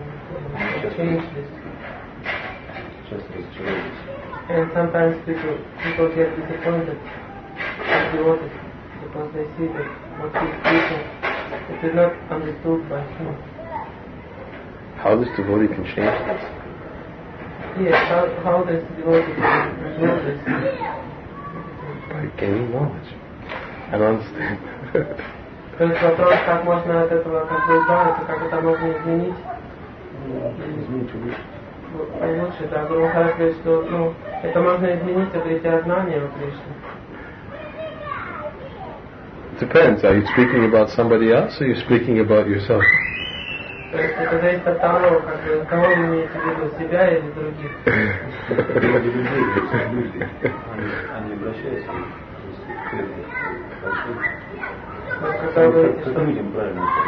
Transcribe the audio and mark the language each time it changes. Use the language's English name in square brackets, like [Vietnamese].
[English] And sometimes people get disappointed at the devotees because they see that what he's speaking it is not understood by him. How this devotee can change this? Yes, how does the devotee can improve this? By gaining knowledge. I don't understand. [Russian] То есть вопрос, как можно от этого как бы избавиться, как это можно изменить? Лучше, да. Гуру Махарадж говорит, что ну, это можно изменить, обрести от знания у Кришны. [English] Depends. Are you speaking about somebody else or are you speaking about yourself? [Russian] То есть это зависит от того, как бы, кого вы имеете в виду, себя или других. Люди, они обращаются к людям, правильно,